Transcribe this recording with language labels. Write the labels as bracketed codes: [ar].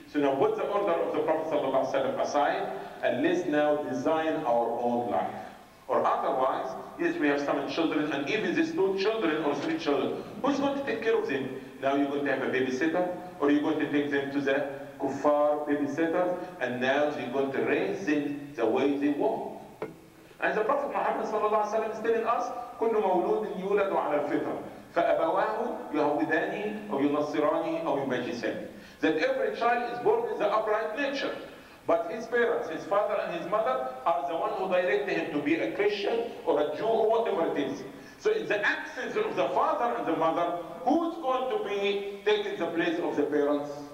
[en] So now put the order of the Prophet sallallahu alaihi wasallam aside, and let's now design our own life. Or otherwise, yes, we have some children, and even these two children or three children, who's going to take care of them? Now you're going to have a babysitter, or you're going to take them to the kuffar babysitter, and now you're going to raise them the way they want. And the Prophet Muhammad صلى الله عليه وسلم is telling us, [ar] كل مولود يولد على الفطرة فأبواه يهوداني أو ينصراني أو يمجساني. [en] That every child is born in the upright nature. But his parents, his father and his mother are the one who direct him to be a Christian or a Jew or whatever it is. So in the absence of the father and the mother, who's going to be taking the place of the parents?